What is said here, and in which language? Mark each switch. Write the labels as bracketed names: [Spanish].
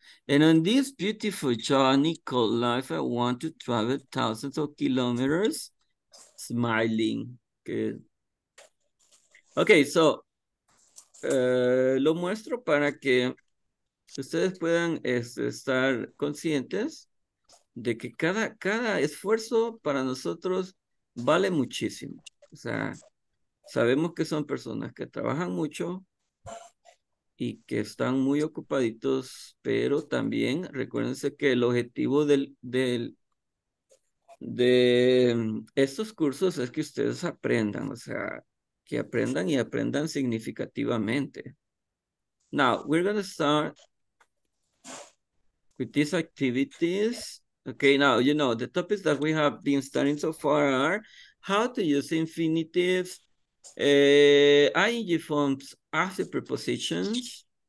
[English] And on this beautiful journey called life, I want to travel thousands of kilometers smiling. Good. [Spanish] Okay, so, lo muestro para que ustedes puedan estar conscientes de que cada esfuerzo para nosotros vale muchísimo. O sea, sabemos que son personas que trabajan mucho y que están muy ocupaditos, pero también recuérdense que el objetivo de estos cursos es que ustedes aprendan, o sea, que aprendan y aprendan significativamente. [English] Now, we're going to start with these activities. Okay, now, you know, the topics that we have been studying so far are how to use infinitives, ing forms after prepositions.